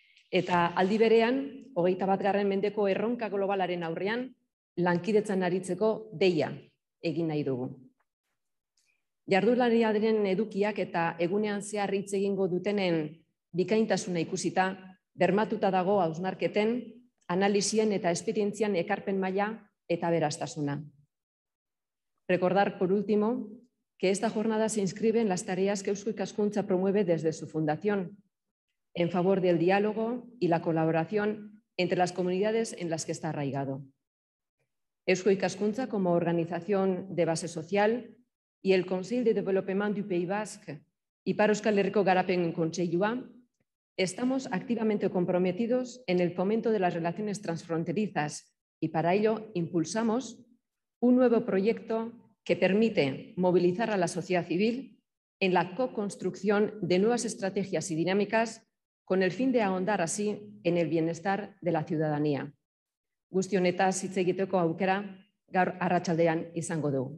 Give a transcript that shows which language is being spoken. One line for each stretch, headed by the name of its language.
Basque: Eta aldi berean, 21. mendeko erronka globalaren aurrean, lankidetzan aritzeko deia egin nahi dugu. Jardunaldiaren edukiak eta egunean zehar hitz egingo dutenen bikaintasuna ikusita, bermatuta dago hausnarketen, analisien eta esperientzian ekarpen maila eta beraztasuna.
Spanish: Recordar, por último, que esta jornada se inscribe en las tareas que Eusko Ikaskuntza promueve desde su fundación, en favor del diálogo y la colaboración entre las comunidades en las que está arraigado. Eusko Ikaskuntza, como organización de base social, y el Consejo de Development du Pays Basque y para Euskal Herriko Garapen Kontseilua, estamos activamente comprometidos en el fomento de las relaciones transfronterizas y para ello impulsamos un nuevo proyecto que permite movilizar a la sociedad civil en la co-construcción de nuevas estrategias y dinámicas con el fin de ahondar así en el bienestar de la ciudadanía.
Basque: Guzti honetaz hitz egiteko aukera gaur arratsaldean izango dugu.